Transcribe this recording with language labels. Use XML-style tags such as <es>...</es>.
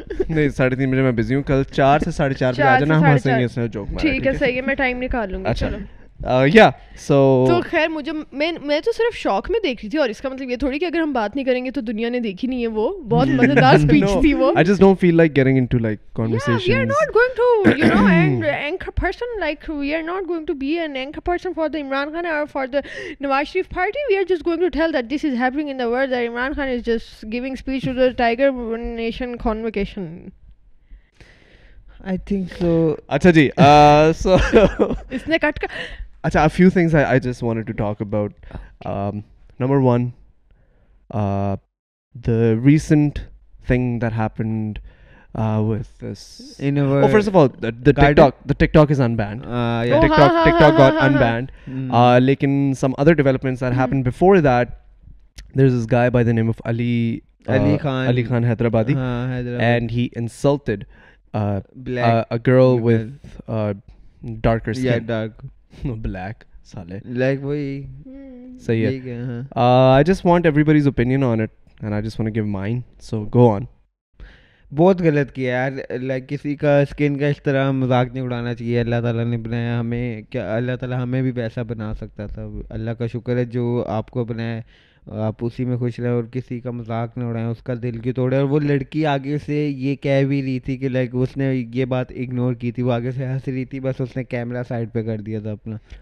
<ur>نہیں 3:30 بجے میں بزی ہوں, کل 4 to 4:30 بجے آ جانا, ہم ہنسیں گے اس میں جوک. ٹھیک ہے صحیح ہے, میں ٹائم نکال لوں گا. چلو</ur> <en>yeah, so</en> <ur>تو خیر مجھے, میں تو صرف شوق میں دیکھ رہی تھی, اور اس کا مطلب یہ تھوڑی کہ اگر ہم بات نہیں کریں گے تو دنیا نے دیکھی نہیں ہے, وہ بہت مزیدار سپیچ تھی وہ.</ur> <en>I just don't feel like getting into like conversations. Yeah, we are not going to, you know, anchor person, like we are not going to be an anchor person for the Imran Khan or for the Nawaz Sharif party. We are just going to tell that this is happening in the world, that Imran Khan is just giving speech to the Tiger Nation convocation. I think so.</en> <ur>Acha ji, so isne cut ka,</ur> <en>acha a few things I just wanted to talk about. Number one, the recent thing that happened with this, in a word, oh, first of all, the TikTok, the TikTok is unbanned. Yeah. Oh, TikTok, ha, ha, TikTok ha, ha, got ha, unbanned. Ha. Lekin some other developments that happened before that, there's this guy by the name of Ali Khan Hyderabadi, and he insulted a girl with darker skin, yeah, dark. Black sale,</en> <ur>like wohi sahi hai.</ur> <en>I just want everybody's opinion on it and I just want to give mine, so go on.</en> <ur>بہت غلط کیا یار, like کسی کا skin کا اس طرح مذاق نہیں اڑانا چاہیے. اللہ تعالیٰ نے بنایا ہمیں, کیا اللہ تعالیٰ ہمیں بھی ویسا بنا سکتا تھا, اللہ کا شکر ہے جو آپ کو بنایا, آپ اسی میں خوش رہے, اور کسی کا مذاق نہیں اڑائیں, اس کا دل کیوں توڑے. اور وہ لڑکی آگے سے یہ کہہ بھی رہی تھی کہ لائک اس نے یہ بات اگنور کی تھی, وہ آگے سے ہنس رہی تھی, بس اس نے کیمرہ سائڈ پہ کر دیا تھا اپنا.</ur>